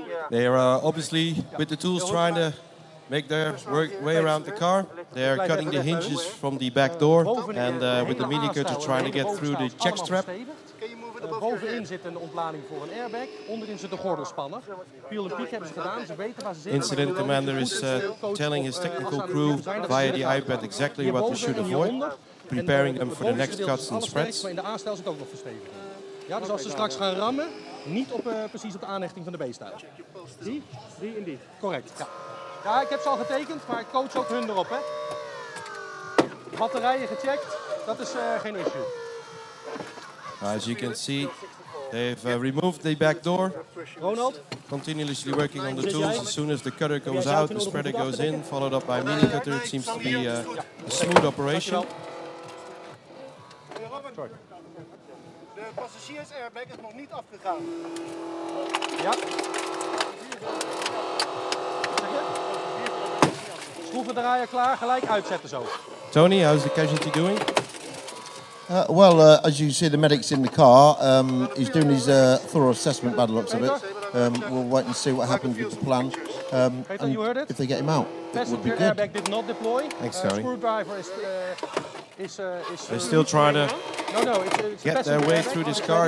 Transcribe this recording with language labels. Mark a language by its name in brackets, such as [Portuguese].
[English] They are obviously with the tools trying to make their way around the car. They are cutting the hinges from the back door and with the mini cutter trying to get through the check strap. [Dutch] Bovenin zit een ontlading voor een airbag, onderin zit een gordelspanner. Peel en piek hebben ze gedaan, ze weten waar ze zitten. [English] Incident commander is telling his technical crew via the iPad exactly what they should avoid. Preparing them for the next cuts and spreads. [Dutch] Maar in de A-stijl zit ook nog verstevigd. Ja, dus als ze straks gaan rammen, niet op, precies op de aanhechting van de B-stijl. Die en die. Correct. Ja, ik heb ze al getekend, maar ik coach ook hun erop. Hè. Batterijen gecheckt, dat is geen issue. [English] As you can see, They've removed the back door. Ronald? Continuously working on the tools. As soon as the cutter goes out, the spreader goes in, followed up by a mini cutter. It seems to be a smooth operation. [Dutch] De passagiers airbag is nog niet afgegaan. Ja. Schroevendraaier klaar, gelijk uitzetten zo. [English] Tony, how's the casualty doing? As you see, the medic's in the car. He's doing his thorough assessment, by the looks of it. We'll wait and see what happens with the plan. Peter, you heard it? If they get him out, passenger would be good. Airbag did not deploy. Thanks, Tony. Screwdriver is... They're still trying to get their way through this car.